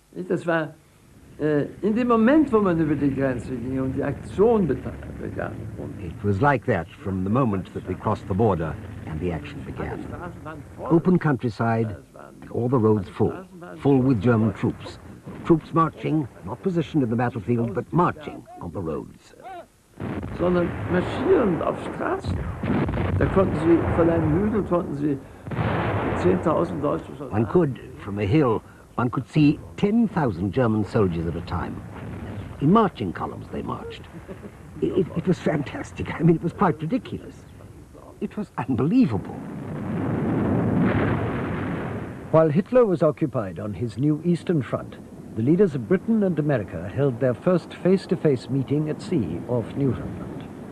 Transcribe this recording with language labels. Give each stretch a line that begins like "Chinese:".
English: It was like that from the moment that we crossed the border and the action began. Open countryside, all the roads full with German troops. Troops marching, not positioned in the battlefield, but marching on the roads.
German: Sondern marschierend auf Straßen. Da konnten sie von einem Hügel konnten sie 10,000 deutsche Soldaten.
English: One could, from a hill, one could see 10,000 German soldiers at a time. In marching columns they marched. It was fantastic. I mean, it was quite ridiculous. It was unbelievable. While Hitler was occupied on his new Eastern Front, the leaders of Britain and America held their first face-to-face meeting at sea off Newfoundland.